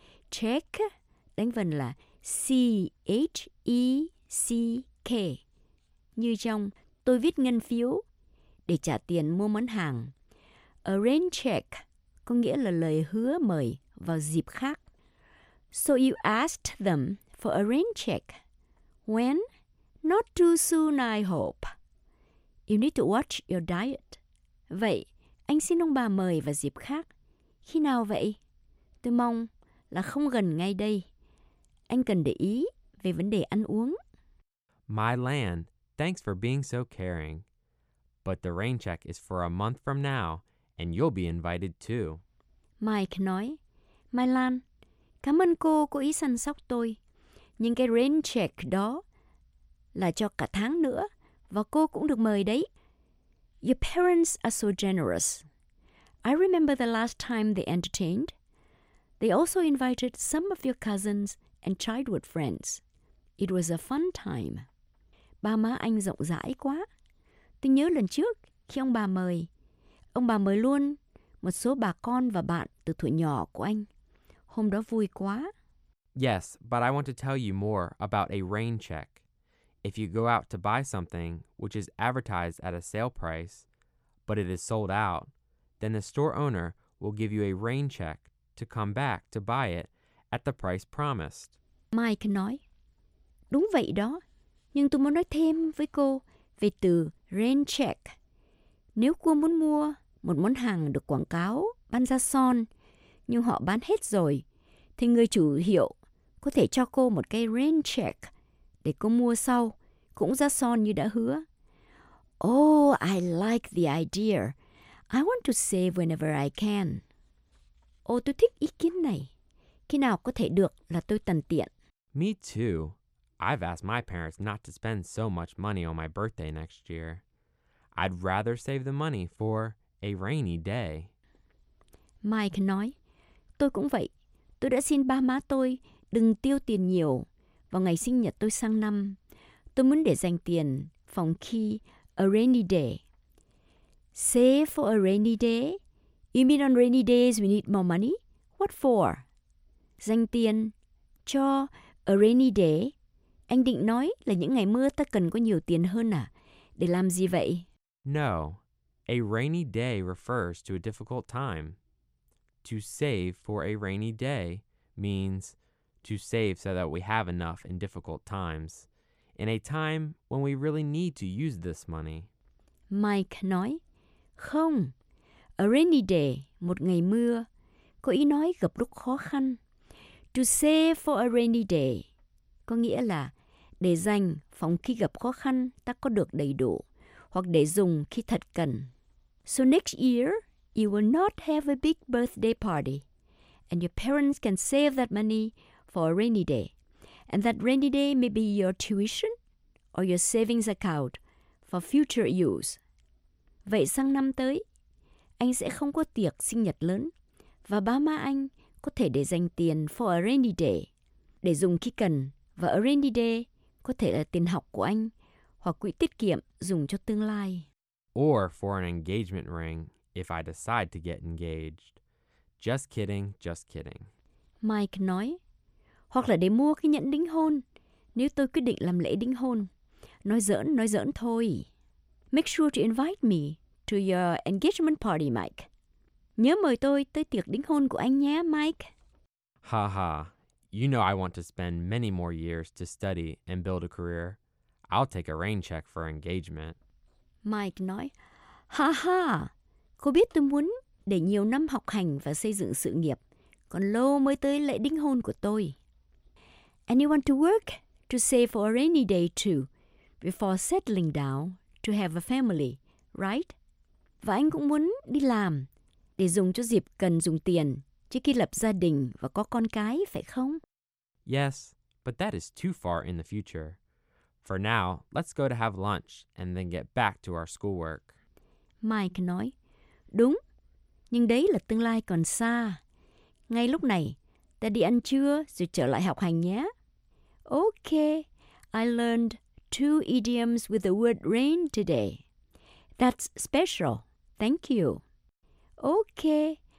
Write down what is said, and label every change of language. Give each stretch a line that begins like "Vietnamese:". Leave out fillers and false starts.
Vietnamese: Check đánh vần là C-H-E-C-K, như trong Tôi viết ngân phiếu để trả tiền mua món hàng. A rain check có nghĩa là lời hứa mời vào dịp khác.
English: So you asked them for a rain check. When? Not too soon, I hope. You need to watch your diet.
Vietnamese: Vậy, anh xin ông bà mời vào dịp khác. Khi nào vậy? Tôi mong là không gần ngay đây. Anh cần để ý về vấn đề ăn uống.
English: My land, thanks for being so caring. But the rain check is for a month from now, and you'll be invited too.
Vietnamese: Mike nói, My Lan, cảm ơn cô có ý săn sóc tôi. Nhưng cái rain check đó là cho cả tháng nữa, và cô cũng được mời đấy.
English: Your parents are so generous. I remember the last time they entertained. They also invited some of your cousins and childhood friends. It was a fun time.
Vietnamese: Ba má anh rộng rãi quá. Tôi nhớ lần trước khi ông bà mời luôn một số bà con và bạn từ tuổi nhỏ của anh. Hôm đó vui quá.
English: Yes, but I want to tell you more about a rain check. If you go out to buy something, which is advertised at a sale price, but it is sold out, then the store owner will give you a rain check to come back to buy it at the price promised.
Vietnamese: Mike nói, đúng vậy đó. Nhưng tôi muốn nói thêm với cô về từ rain check. Nếu cô muốn mua một món hàng được quảng cáo bán ra son, nhưng họ bán hết rồi, thì người chủ hiệu có thể cho cô một cái rain check để cô mua sau, cũng ra son như đã hứa.
English: Oh, I like the idea. I want to save whenever I can.
Vietnamese: Oh, tôi thích ý kiến này. Khi nào có thể được là tôi tận tiện.
English: Me too. I've asked my parents not to spend so much money on my birthday next year. I'd rather save the money for a rainy day.
Vietnamese: Mike nói, tôi cũng vậy. Tôi đã xin ba má tôi đừng tiêu tiền nhiều vào ngày sinh nhật tôi sang năm. Tôi muốn để dành tiền phòng khi
English: a rainy day. Save for a rainy day? You mean on rainy days we need more money? What for?
Vietnamese: Dành tiền cho
English: a rainy day.
Vietnamese: Anh định nói là những ngày mưa ta cần có nhiều tiền hơn à? Để làm gì vậy?
English: No. A rainy day refers to a difficult time. To save for a rainy day means to save so that we have enough in difficult times. In a time when we really need to use this money.
Vietnamese: Mike nói, không.
English: A rainy day,
Vietnamese: một ngày mưa, có ý nói gặp lúc khó khăn.
English: To save for a rainy day,
Vietnamese: có nghĩa là để dành phòng khi gặp khó khăn ta có được đầy đủ, hoặc để dùng khi thật cần.
English: So next year, you will not have a big birthday party, and your parents can save that money for a rainy day. And that rainy day may be your tuition or your savings account for future use.
Vietnamese: Vậy sang năm tới, anh sẽ không có tiệc sinh nhật lớn, và ba má anh có thể để dành tiền
English: for a rainy day,
Vietnamese: để dùng khi cần, và
English: a rainy day
Vietnamese: có thể là tiền học của anh hoặc quỹ tiết kiệm dùng cho tương lai.
English: Or for an engagement ring, if I decide to get engaged. Just kidding, just kidding.
Vietnamese: Mike nói, hoặc là để mua cái nhẫn đính hôn, nếu tôi quyết định làm lễ đính hôn. Nói giỡn thôi.
English: Make sure to invite me to your engagement party, Mike.
Vietnamese: Nhớ mời tôi tới tiệc đính hôn của anh nhé, Mike. Ha ha.
English: You know I want to spend many more years to study and build a career. I'll take a rain check for engagement.
Vietnamese: Mike nói, ha ha, cô biết tôi muốn để nhiều năm học hành và xây dựng sự nghiệp, còn lâu mới tới lễ đính hôn của tôi.
English: And you want to work to save for a rainy day too, before settling down to have a family, right?
Vietnamese: Và anh cũng muốn đi làm để dùng cho dịp cần dùng tiền, trước khi lập gia đình và có con cái, phải không?
English: Yes, but that is too far in the future. For now, let's go to have lunch and then get back to our schoolwork.
Vietnamese: Mike nói, đúng, nhưng đấy là tương lai còn xa. Ngay lúc này, ta đi ăn trưa rồi trở lại học hành nhé.
English: Okay, I learned two idioms with the word rain today. That's special. Thank you. Okay.